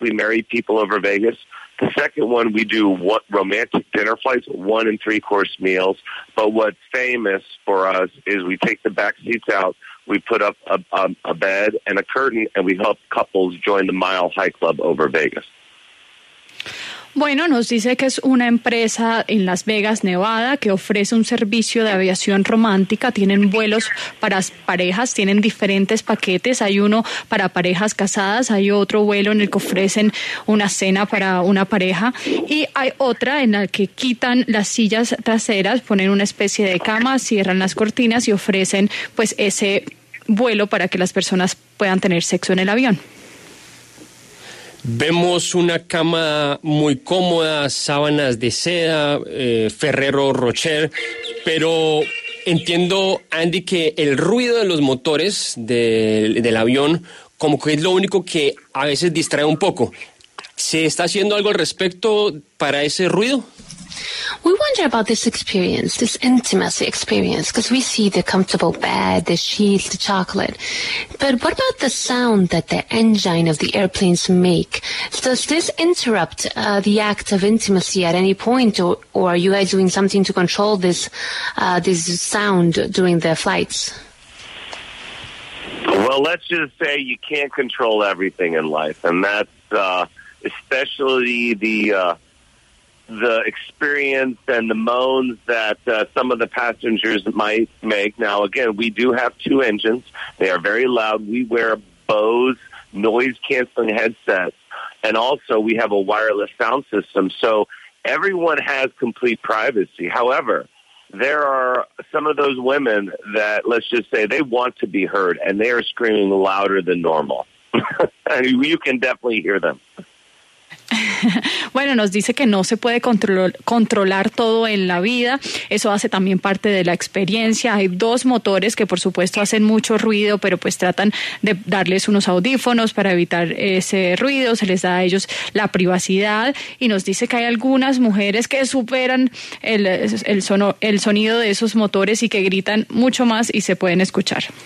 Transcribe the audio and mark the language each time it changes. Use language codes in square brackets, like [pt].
[en] We marry people over Vegas. The second one, we do what romantic dinner flights, 1 and 3 course meals. But what's famous for us is we take the back seats out, we put up a bed and a curtain, and we help couples join the Mile High Club over Vegas. [es] Bueno, nos dice que es una empresa en Las Vegas, Nevada, que ofrece un servicio de aviación romántica. Tienen vuelos para parejas, tienen diferentes paquetes. Hay uno para parejas casadas, hay otro vuelo en el que ofrecen una cena para una pareja. Y hay otra en la que quitan las sillas traseras, ponen una especie de cama, cierran las cortinas y ofrecen pues ese vuelo para que las personas puedan tener sexo en el avión. Vemos una cama muy cómoda, sábanas de seda, Ferrero Rocher, pero entiendo, Andy, que el ruido de los motores del avión como que es lo único que a veces distrae un poco. ¿Se está haciendo algo al respecto para ese ruido? [en] We wonder about this experience, this intimacy experience, because we see the comfortable bed, the sheets, the chocolate. But what about the sound that the engine of the airplanes make? Does this interrupt the act of intimacy at any point, or are you guys doing something to control this sound during the flights? Well, let's just say you can't control everything in life, and that's especially the experience and the moans that some of the passengers might make. Now, again, we do have two engines. They are very loud. We wear Bose noise-canceling headsets. And also, we have a wireless sound system. So everyone has complete privacy. However, there are some of those women that, let's just say, they want to be heard, and they are screaming louder than normal. And you can definitely hear them. [es] Bueno, nos dice que no se puede controlar todo en la vida. Eso hace también parte de la experiencia. Hay dos motores que, por supuesto, hacen mucho ruido, pero pues tratan de darles unos audífonos para evitar ese ruido. Se les da a ellos la privacidad. Y nos dice que hay algunas mujeres que superan el sonido de esos motores y que gritan mucho más y se pueden escuchar.